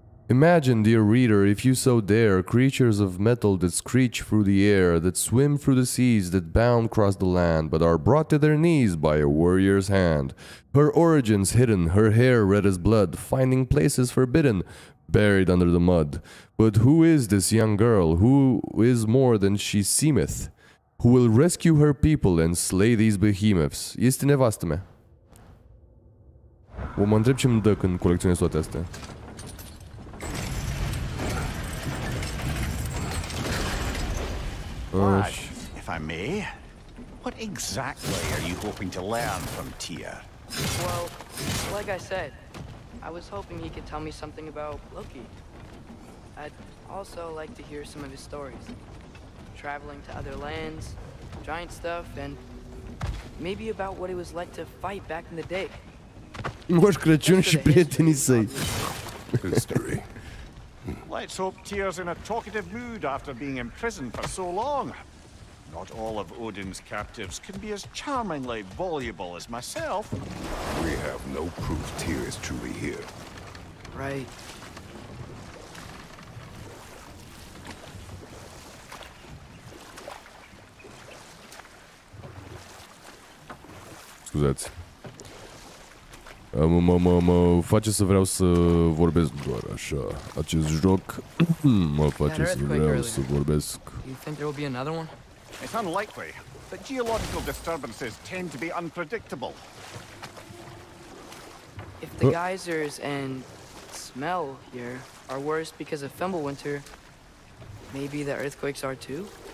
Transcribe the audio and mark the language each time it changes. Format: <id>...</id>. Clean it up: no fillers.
<en>Imagine, dear reader, if you so dare, creatures of metal that screech through the air, that swim through the seas, that bound across the land, but are brought to their knees by a warrior's hand. Her origins hidden, her hair red as blood, finding places forbidden, buried under the mud. But who is this young girl? Who is more than she seemeth? Who will rescue her people and slay these behemoths?</en> <ro>Este nevastă mea. O, mă întreb ce-mi dă când colecționez toate astea.</ro> <en>Vlad, if I may, what exactly are you hoping to learn from Tyr? Well, like I said, I was hoping he could tell me something about Loki. I'd also like to hear some of his stories. Traveling to other lands, giant stuff, and maybe about what it was like to fight back in the day.</en> <ro>Moș Crăciun și prietenii săi.</ro> <en>History. Let's hope Tyr's in a talkative mood after being imprisoned for so long. Not all of Odin's captives can be as charmingly voluble as myself. We have no proof Tyr is truly here. Right.</en> <ro>Scuzați. Mă face să vreau să vorbesc doar așa. Acest joc mă face să vreau să vorbesc.</ro> <en>You think there will be another one? It's unlikely, but geological disturbances tend to be unpredictable. If the geysers and smell here are worse because of Fimbulwinter, maybe the earthquakes are too?</en>